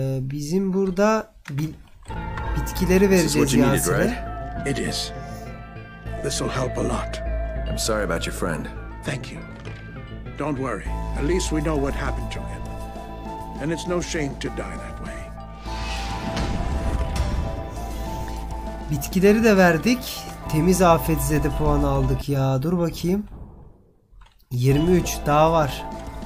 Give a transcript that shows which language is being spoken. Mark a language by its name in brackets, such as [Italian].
[Turkish] Bizim burada bitkileri vereceğiz Yasir'e. [English] It is. This will help a lot. I'm sorry about your friend. Thank you. Don't worry. At least we know what happened to him. And it's no shame to die that way. [Turkish] Bitkileri de verdik. Temiz afet zede puanı aldık ya. Dur bakayım. 23 daha var.